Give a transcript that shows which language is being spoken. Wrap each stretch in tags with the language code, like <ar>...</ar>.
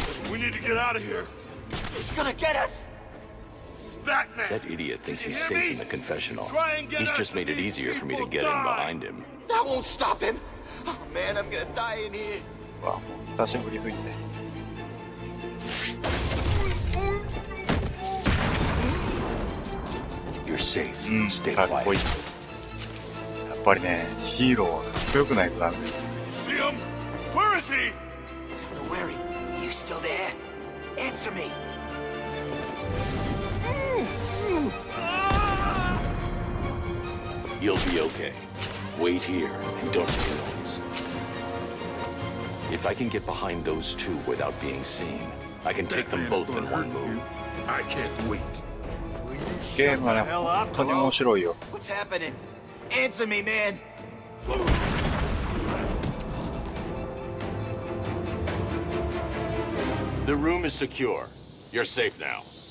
<en>We need to get out of here. He's gonna get us. Batman. That idiot thinks he's safe in the confessional. He's just made it easier for me to get in behind him. That won't stop him. Oh man, I'm gonna die in here.</en> <ja>わあ、もう久しぶりすぎて。</ja> <en>You're safe. Stay quiet.</en> <ja>かっこいい。やっぱりね、ヒーローはかっこよくないとダメ。</ja> <en>See him? Where is he? I don't know where he. You still there? Answer me. You'll be okay. Wait here and don't make noise. If I can get behind those two without being seen, I can take them both in one move. I can't wait.</en> <ja>ゲームはね、本当に面白いよ。</ja> <en>What's happening? Answer me, man! The room is secure. You're safe now.</en>